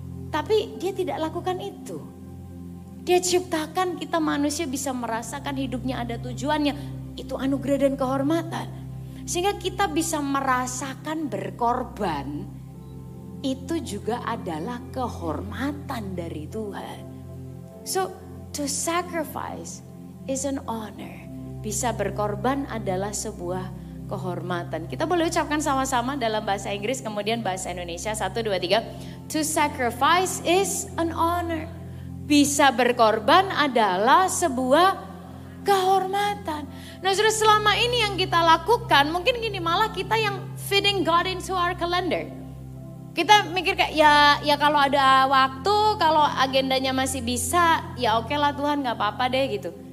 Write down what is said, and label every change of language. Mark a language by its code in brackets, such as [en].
[id] Tapi dia tidak lakukan itu. Dia ciptakan kita manusia bisa merasakan hidupnya ada tujuannya. Itu anugerah dan kehormatan. Sehingga kita bisa merasakan berkorban, itu juga adalah kehormatan dari Tuhan. [en] So, to sacrifice is an honor. [id] Bisa berkorban adalah sebuah kehormatan. Kita boleh ucapkan sama-sama dalam bahasa Inggris, kemudian bahasa Indonesia. 1, 2, 3. [en] To sacrifice is an honor. [id] Bisa berkorban adalah sebuah kehormatan. Nah, sudah selama ini yang kita lakukan, mungkin gini, malah kita yang [en] fitting God into our calendar. [id] Kita mikir kayak, ya kalau ada waktu, kalau agendanya masih bisa, ya okelah Tuhan, gak apa-apa deh gitu.